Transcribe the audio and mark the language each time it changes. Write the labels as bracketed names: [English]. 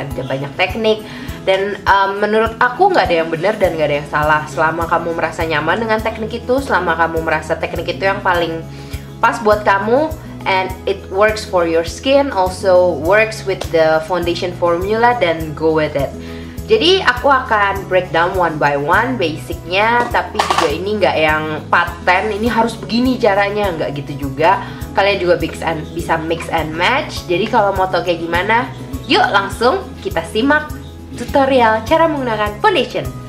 [Indonesian] Ada banyak teknik dan menurut aku nggak ada yang benar dan nggak ada yang salah. Selama kamu merasa nyaman dengan teknik itu, selama kamu merasa teknik itu yang paling pas buat kamu. [English] And it works for your skin, also works with the foundation formula, then go with it. [Indonesian] Jadi aku akan [English] breakdown one by one [Indonesian] basicnya, tapi juga ini nggak yang paten, ini harus begini caranya, nggak gitu juga. Kalian juga bisa [English] mix and match. [Indonesian] Jadi kalau mau tau kayak gimana, yuk langsung kita simak tutorial cara menggunakan foundation.